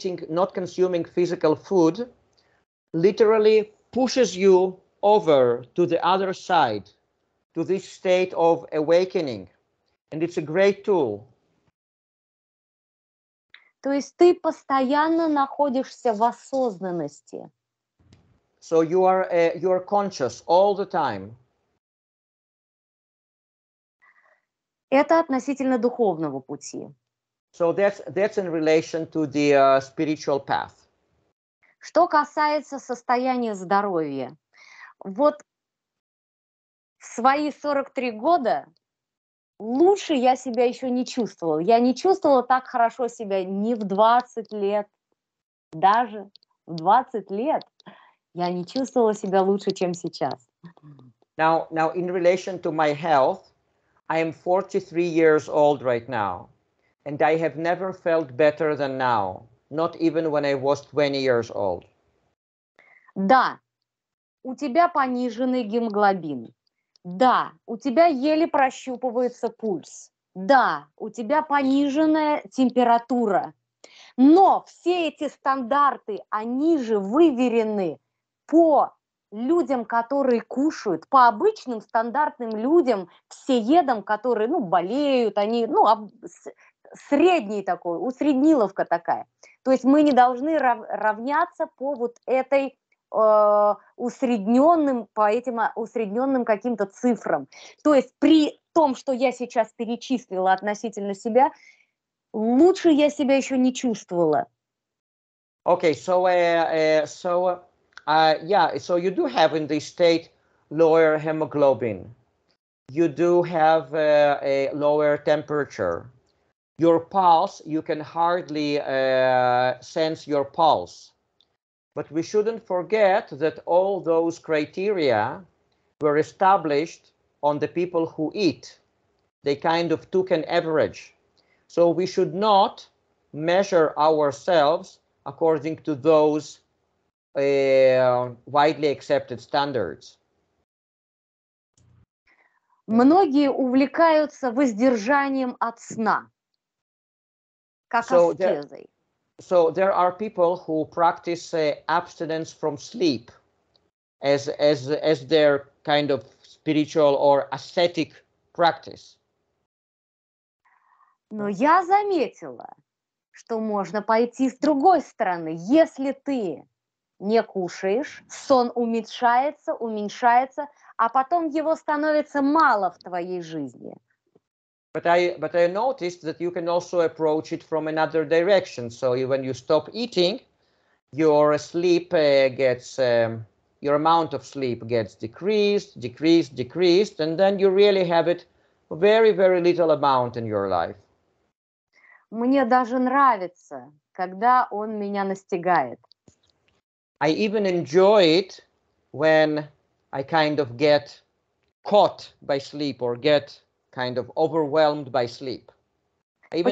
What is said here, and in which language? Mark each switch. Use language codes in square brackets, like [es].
[en] Not consuming physical food literally pushes you over to the other side, to this state of awakening. And it's a great tool. [ru] То есть ты постоянно находишься в осознанности. [en] So you are conscious all the time. [ru] Это относительно духовного пути. [en] So that's in relation to the spiritual path. [ru] Что касается состояния здоровья. Вот в свои 43 года лучше я себя еще не чувствовала. Я не чувствовала так хорошо себя ни в 20 лет, даже в 20 лет я не чувствовала себя лучше, чем сейчас. [en] Now in relation to my health, I am 43 years old right now, and I have never felt better than now, not even when I was 20 years old. [ru] Да. У тебя пониженный гемоглобин. Да, у тебя еле прощупывается пульс. Да, у тебя пониженная температура. Но все эти стандарты, они же выверены по людям, которые кушают, по обычным стандартным людям, всеедам, которые, ну, болеют, они, ну, средний такой, усреднеловка такая. То есть мы не должны равняться по вот этой... усредненным, по этим усредненным каким-то цифрам. То есть при том, что я сейчас перечислила относительно себя, лучше я себя еще не чувствовала. [en] Okay, so you do have in this state lower hemoglobin. You do have a lower temperature. Your pulse, you can hardly sense your pulse. But we shouldn't forget that all those criteria were established on the people who eat. They kind of took an average. So we should not measure ourselves according to those widely accepted standards. [ru] Многие увлекаются воздержанием от сна, как аскезой. [en] So there are people who practice abstinence from sleep as their kind of spiritual or ascetic practice. [ru] Но я заметила, что можно пойти с другой стороны. Если ты не кушаешь, сон уменьшается, уменьшается, а потом его становится мало в твоей жизни. [en] But I noticed that you can also approach it from another direction. So when you stop eating, your sleep gets your amount of sleep gets decreased, and then you really have it very, very little amount in your life. [ru] Мне даже нравится, когда он меня настигает. [en] I even enjoy it when I kind of get caught by sleep or get kind of overwhelmed by sleep. I even